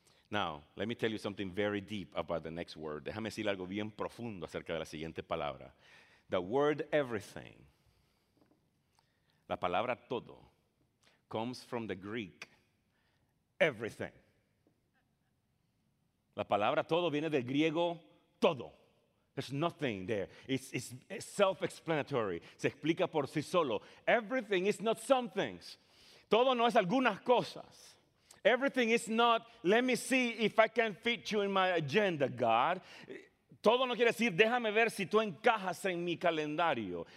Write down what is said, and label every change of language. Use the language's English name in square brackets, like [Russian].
[English] Now, let me tell you something very deep about the next word. [Spanish] Déjame decir algo bien profundo acerca de la siguiente palabra. [English] The word everything. [Spanish] La palabra todo. [English] Comes from the Greek, everything. [Spanish] La palabra todo viene del griego, todo. [English] There's nothing there. It's self-explanatory. [Spanish] Se explica por sí solo. [English] Everything is not some things. [Spanish] Todo no es algunas cosas. [English] Everything is not, let me see if I can fit you in my agenda, God. [Spanish] Todo no quiere decir, déjame ver si tú encajas en mi calendario.